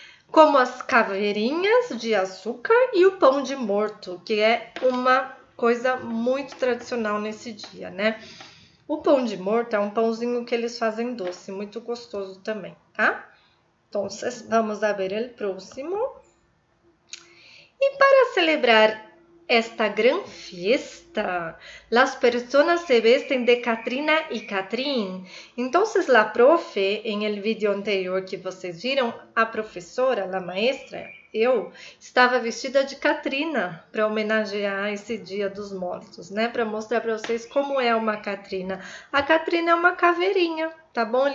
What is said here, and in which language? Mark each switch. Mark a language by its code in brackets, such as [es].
[pt] Como as caveirinhas de açúcar e o pão de morto, que é uma coisa muito tradicional nesse dia, né? O pão de morto é um pãozinho que eles fazem doce, muito gostoso também, tá? Então, vamos ver o próximo. [es] E para celebrar esta gran fiesta, las personas se vesten de Catrina y Catrín. Entonces, la profe, en el vídeo anterior [pt] que vocês viram, a professora, [es] la maestra, [pt] eu, estava vestida de Catrina para homenagear esse Dia dos Mortos, né? Para mostrar para vocês como é uma Catrina. A Catrina é uma caveirinha, tá bom?